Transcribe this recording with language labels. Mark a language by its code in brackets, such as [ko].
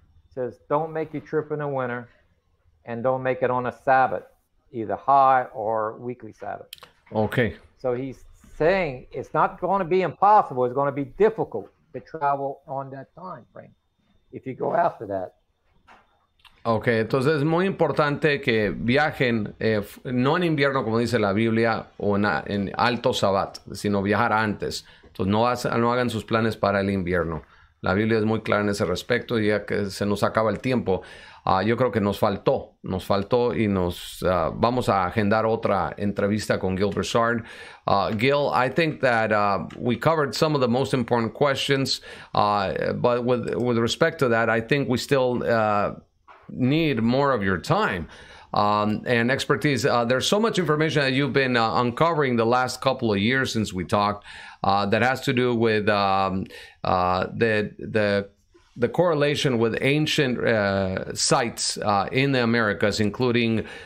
[en] It says, don't make your trip in the winter and don't make it on a Sabbath, either high or weekly Sabbath. Okay. So he's saying it's not going to be impossible. It's going to be difficult to travel on that time frame if you go after that. [es] Ok, entonces es muy importante que viajen, no en invierno como dice la Biblia, o en alto Sabbat, sino viajar antes. Entonces no hagan sus planes para el invierno. La Biblia es muy clara en ese respecto, ya que se nos acaba el tiempo. Yo creo que nos faltó y nos vamos a agendar otra entrevista con Gil Broussard. [en] Gil, I think that we covered some of the most important questions, but with respect to that, I think we still need more of your time and expertise. There's so much information that you've been uncovering the last couple of years since we talked that has to do with the correlation with ancient sites in the Americas, including